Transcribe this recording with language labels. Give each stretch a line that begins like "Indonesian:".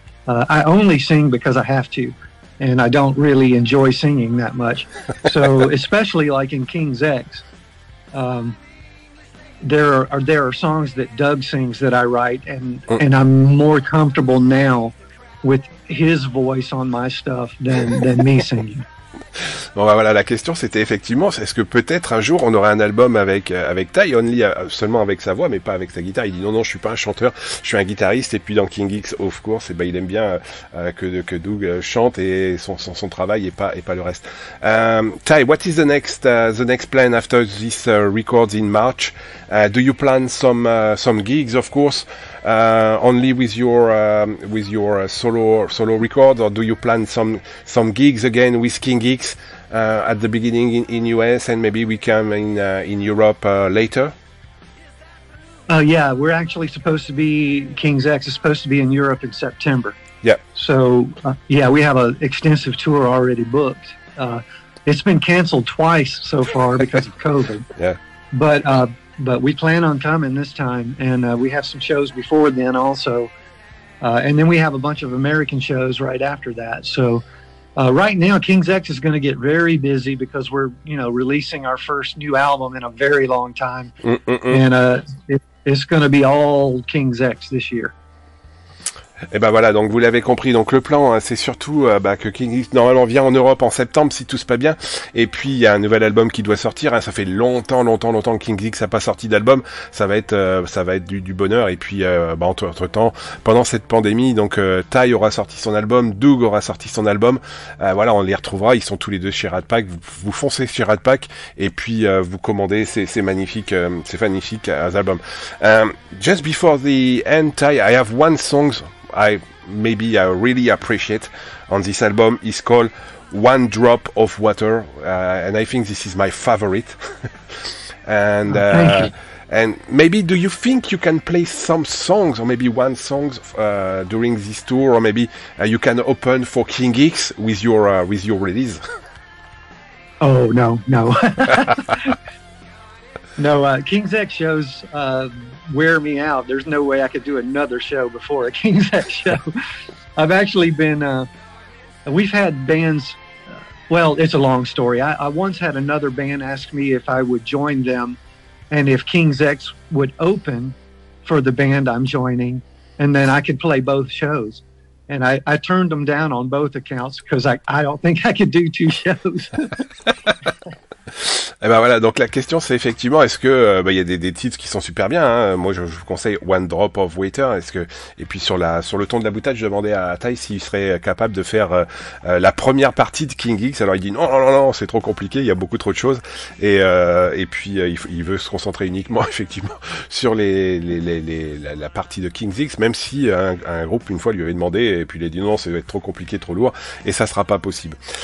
English: I only sing because I have to, and I don't really enjoy singing that much. So especially like in King's X, there are songs that Doug sings that I write, and I'm more comfortable now with his voice on my stuff than me singing.
French: Bon, bah voilà, la question c'était effectivement, est-ce que peut-être un jour on aurait un album avec Ty, only seulement avec sa voix, mais pas avec sa guitare. Il dit non, je suis pas un chanteur, je suis un guitariste. Et puis dans King X,
English: of course,
French: et ben il aime bien que Doug chante et son travail et pas le reste.
English: Ty, what is the next plan after this records in March? Do you plan some gigs, of course, only with your solo records, or do you plan some gigs again with King Geeks at the beginning in US, and maybe we come in Europe later? Yeah, we're actually supposed to be, King's X is supposed to be in Europe in September. Yeah. So, yeah, we have an extensive tour already booked. It's been canceled twice so far because of COVID. Yeah. But we plan on coming this time, and we have some shows before then also. And then we have a bunch of American shows right after that, so... right now, King's X is going to get very busy because we're, releasing our first new album in a very long time. Mm-mm-mm. And it's going to be all King's X this year.
French: Et ben voilà, donc vous l'avez compris, donc le plan, hein, c'est surtout que King X normalement vient en Europe en septembre si tout se passe bien, et puis il y a un nouvel album qui doit sortir, hein, ça fait longtemps que King X n'a pas sorti d'album, ça va être du bonheur. Et puis entre temps, pendant cette pandémie, donc Ty aura sorti son album, Doug aura sorti son album, voilà, on les retrouvera, ils sont tous les deux chez Rat Pak, vous foncez chez Rat Pak et puis vous commandez ces magnifiques albums.
English: Just before the end, Ty, I have one song I really appreciate on this album. It's called One Drop of Water, and I think this is my favorite. And and maybe, do you think you can play some songs, or maybe one song during this tour, or maybe you can open for King X with your release? Oh no. No, King's X shows wear me out. There's no way I could do another show before a King's X show. I've actually been, we've had bands, well, it's a long story. I once had another band ask me if I would join them and if King's X would open for the band I'm joining, and then I could play both shows. And I turned them down on both accounts because I don't think I could do two shows.
French: Et ben voilà, donc la question c'est effectivement, est-ce que il y a des titres qui sont super bien, hein. Moi je vous conseille One Drop of Water, et puis sur le ton de la bouteille, je demandais à Ty s'il serait capable de faire la première partie de King X. Alors il dit non, c'est trop compliqué, il y a beaucoup trop de choses, et puis il veut se concentrer uniquement effectivement sur la partie de King X, même si un groupe une fois lui avait demandé, et puis il a dit non, ça va être trop compliqué, trop lourd, et ça sera pas possible.